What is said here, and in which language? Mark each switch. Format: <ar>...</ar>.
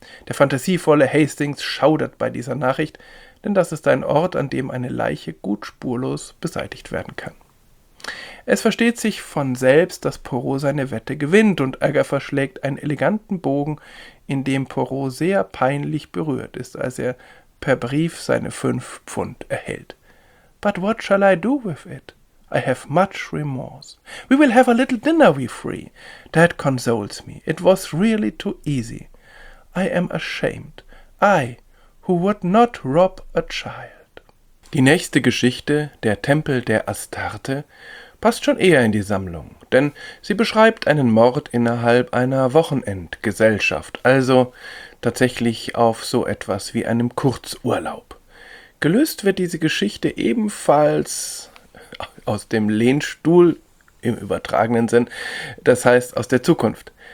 <de>Der fantasievolle Hastings schaudert bei dieser Nachricht, denn das ist ein Ort, an dem eine Leiche gut spurlos beseitigt werden kann. Es versteht sich von selbst, dass Poirot seine Wette gewinnt und Agatha schlägt einen eleganten Bogen, in dem Poirot sehr peinlich berührt ist, als er per Brief seine 5 Pfund erhält.</de> <en>But what shall I do with it? I have much remorse. We will have a little dinner, we three. That consoles me. It was really too easy. I am ashamed. I, who would not rob a child.</en> <de>Die nächste Geschichte, der Tempel der Astarte, passt schon eher in die Sammlung, denn sie beschreibt einen Mord innerhalb einer Wochenendgesellschaft, also tatsächlich auf so etwas wie einem Kurzurlaub. Gelöst wird diese Geschichte ebenfalls aus dem Lehnstuhl im übertragenen Sinn, das heißt aus der Zukunft.</de>